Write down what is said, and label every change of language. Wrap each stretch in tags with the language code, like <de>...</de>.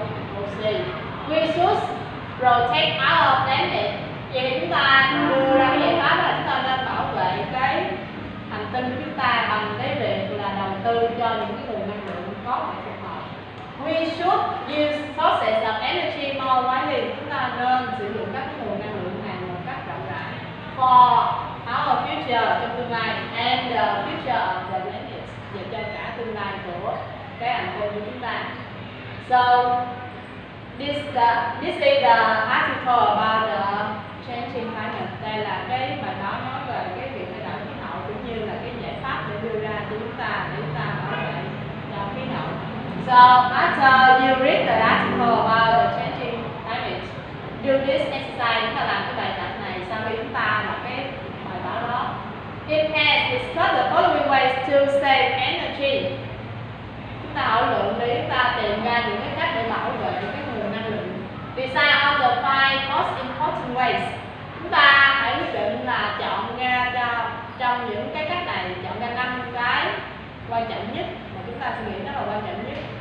<en>We should protect our planet.</en> <vi>Vậy chúng ta đưa ra cái giải pháp là chúng ta nên bảo vệ cái hành tinh của chúng ta bằng cái việc là đầu tư cho những cái nguồn năng lượng có phù hợp.</vi> <en>We should use sources of energy more widely.</en> <vi>Chúng ta nên sử dụng các nguồn năng lượng này một cách rộng rãi.</vi> <en>For our future,</en> <vi>trong tương lai,</vi> <en>and the future of the planet,</en> <vi>và cho cả tương lai của cái hành tinh của chúng ta.</vi> <en>So This is the article about the changing climate.</en> <vi>Đây là cái bài báo nói về cái việc thay đổi khí hậu cũng như là cái giải pháp để đưa ra cho chúng ta để chúng ta bảo vệ cho khí hậu.</vi> <en>So after you read the article about the changing climate, do this exercise,</en> <vi>chúng ta làm cái bài tập này sau khi chúng ta đọc cái bài báo đó.</vi> <en>It has discussed the following ways to save energy.</en> <vi>Chúng ta thảo luận để chúng ta tìm ra những cái cách để bảo vệ</vi> <en>design all the five most important ways.</en> <vi>Chúng ta hãy quyết định là chọn ra cho trong những cái cách này chọn ra năm cái quan trọng nhất mà chúng ta suy nghĩ nó là quan trọng nhất.</vi>